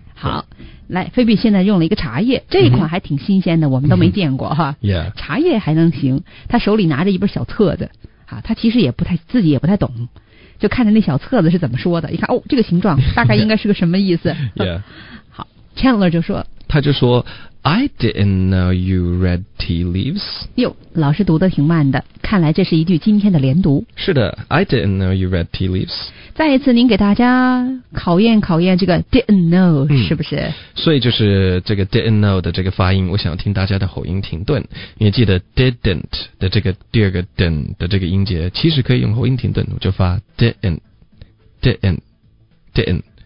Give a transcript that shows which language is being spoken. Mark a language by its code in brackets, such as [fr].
[zh] 好来菲比现在用了一个茶叶这一款还挺新鲜的、嗯、我们都没见过哈、嗯、茶叶还能行他手里拿着一本小册子啊他其实也不太自己也不太懂就看着那小册子是怎么说的一看哦这个形状大概应该是个什么意思、 [en] yeah. [zh] 好 Chandler 就说他就说 [en] I didn't know you read tea leaves [zh] 哟老师读得挺慢的看来这是一句今天的连读是的 [en] I didn't know you read tea leaves [zh] 再一次您给大家考验考验这个 [en] didn't know、 [zh] 嗯、是不是所以就是这个 [en] didn't know [zh] 的这个发音我想听大家的口音停顿你记得 didn't 的这个第二个 den 的这个音节其实可以用口音停顿我就发 [en] didn't didn't didn't